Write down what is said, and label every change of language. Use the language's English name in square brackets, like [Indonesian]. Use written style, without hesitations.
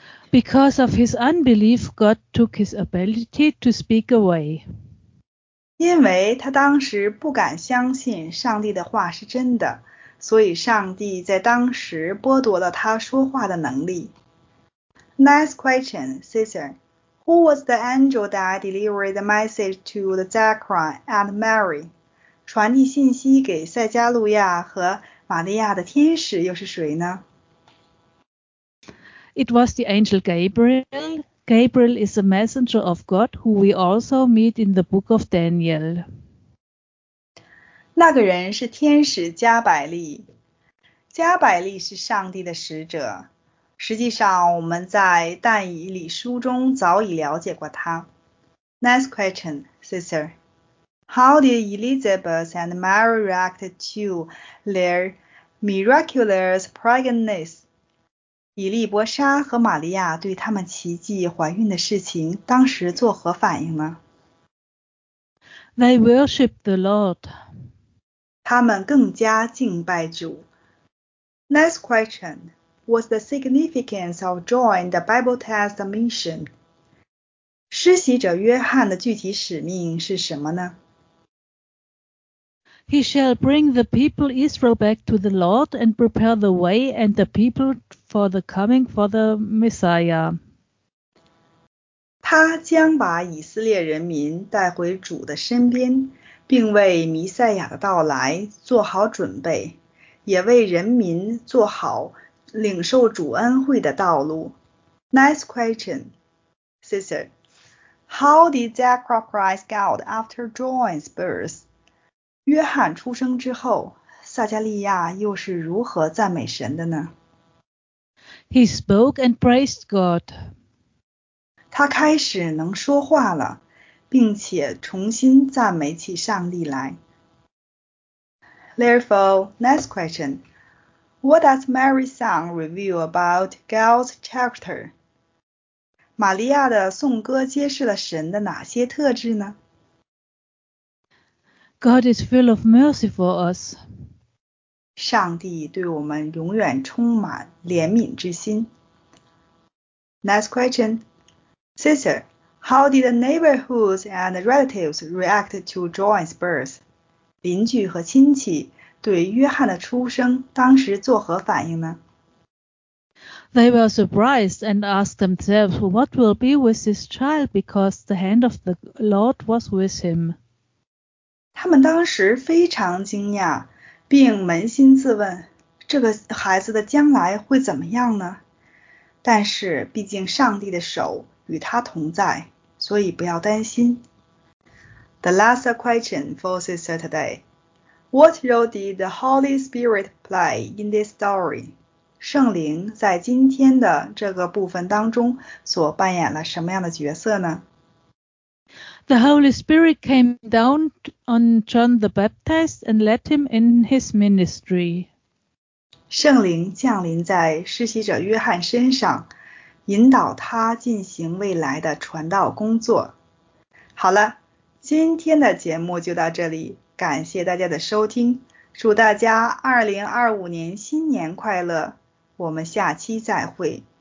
[English] Because of his unbelief, God took his ability to speak away. [Chinese] 因为他当时不敢相信上帝的话是真的，所以上帝在当时剥夺了他说话的能力。 [English] Next question, sister. Who was the angel that delivered the message to the Zechariah and Mary? [Chinese] 传递信息给塞加路亚和玛利亚的天使又是谁呢？ [English] It was the angel Gabriel. Gabriel is a messenger of God who we also meet in the book of Daniel. [Chinese] 那个人是天使加百利。加百利是上帝的使者。实际上我们在但以理书中早已了解过他。 [English] Next question, sister. How did Elizabeth and Mary react to their miraculous pregnancies? [Chinese] 以利伯莎和玛利亚对他们奇迹怀孕的事情当时作何反应呢？ [English] They worship the Lord. [Chinese] 他们更加敬拜主。 [English] Next question. What's the significance of John the Baptist's mission? [Chinese] 施洗者约翰的具体使命是什么呢？ [English] He shall bring the people Israel back to the Lord and prepare the way and the people for the coming for the Messiah. [Chinese] 他将把以色列人民带回主的身边，并为弥赛亚的到来做好准备，也为人民做好领受主恩惠的道路。 [English] Next question, sister. How did Zechariah cry out after John's birth? [Chinese] 约翰出生之后，撒加利亚又是如何赞美神的呢？ [English] He spoke and praised God. [Chinese] 他开始能说话了，并且重新赞美起上帝来。 [English] Therefore, next question. What does Mary's song reveal about God's character? [Chinese] 玛利亚的颂歌揭示了神的哪些特质呢？ [English] God is full of mercy for us. [Chinese] 上帝对我们永远充满怜悯之心。 [English] Next question. Sister, how did the neighborhoods and relatives react to John's birth? [Chinese] 邻居和亲戚对约翰的出生当时作何反应呢？ [English] They were surprised and asked themselves what will be with this child because the hand of the Lord was with him. [Chinese] 他们当时非常惊讶，并扪心自问，这个孩子的将来会怎么样呢？但是毕竟上帝的手与他同在，所以不要担心。 [English] The last question for sister today. What role did the Holy Spirit play in this story? [Chinese] 圣灵在今天的这个部分当中所扮演了什么样的角色呢？ [English] The Holy Spirit came down on John the Baptist and led him in his ministry. [Chinese] 圣灵降临在施洗者约翰身上，引导他进行未来的传道工作。好了，今天的节目就到这里，感谢大家的收听，祝大家2025年新年快乐。我们下期再会。